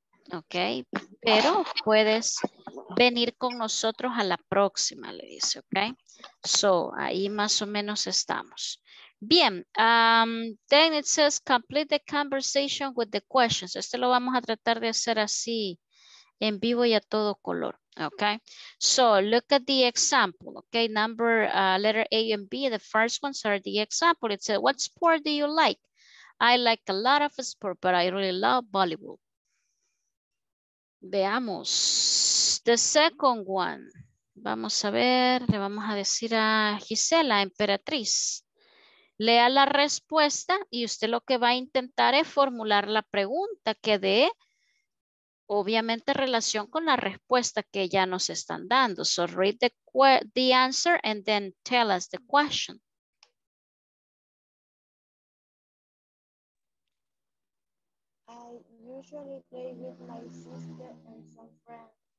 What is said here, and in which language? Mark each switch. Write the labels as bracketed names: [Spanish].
[Spanish] Ok, pero puedes venir con nosotros a la próxima, le dice, ok. [English] So, [Spanish] ahí más o menos estamos. Bien, [English] then it says complete the conversation with the questions. [Spanish] Este lo vamos a tratar de hacer así en vivo y a todo color, ok. [English] So, look at the example, ok. Number, letter A and B, the first ones are the example. It says, what sport do you like? I like a lot of sport, but I really love volleyball. [Spanish] Veamos, [English] the second one, [Spanish] vamos a ver, le vamos a decir a Gisela, Emperatriz, lea la respuesta y usted lo que va a intentar es formular la pregunta que dé, obviamente, relación con la respuesta que ya nos están dando. [English] So, read the answer and then tell us the question. Usually play with my sister and some friends.